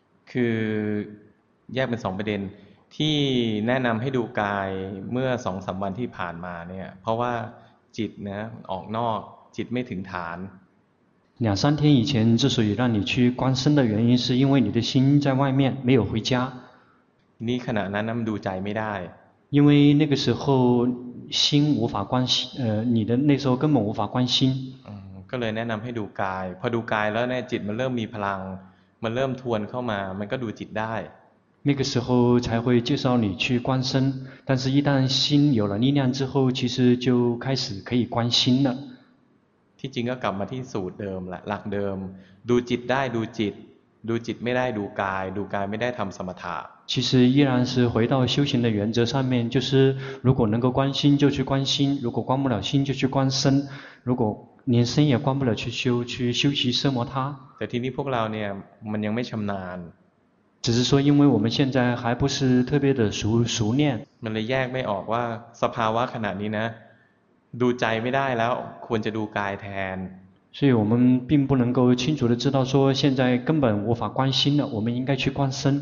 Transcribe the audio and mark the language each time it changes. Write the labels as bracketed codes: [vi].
[th] คือแยกเป็นสองประเด็นที่แนะนำให้ดูกายเมื่อสองสามวันที่ผ่านมาเนี่ยเพราะว่าจิตนะออกนอกจิตไม่ถึงฐาน [zh] 两三天以前之所以让你去观身的原因是因为你的心在外面没有回家 [th] นี่ขณะนั้นดูใจไม่ได้ [zh] 因为那个时候心无法观心你的那时候根本无法观心 [th] ก็เลยแนะนำให้ดูกายพอดูกายแล้วเนี่ยจิตมันเริ่มมีพลังมันเริ่มทวนเข้ามามันก็ดูจิตได้ [zh] 那个时候才会介绍你去观身但是一旦心有了力量之后其实就开始可以观心了 [th] ที่จริงก็กลับมาที่สูตรเดิมละหลักเดิมดูจิตได้ดูจิตดูจิตไม่ได้ดูกายดูกายไม่ได้ทำสมถะ [zh] 其实依然是回到修行的原则上面就是如果能够观心就去观心如果观不了心就去观身如果连身也观不了去修习奢摩他 [th] แต่ทีนี้พวกเราเนี่ยมันยังไม่ชำนาญ [zh] 只是说因为我们现在还不是特别的熟练 [th] มันเลยแยกไม่ออกว่าสภาวะขณะนี้นะดูใจไม่ได้แล้วควรจะดูกายแทน [zh] 所以我们并不能够清楚的知道说现在根本无法观心了我们应该去观身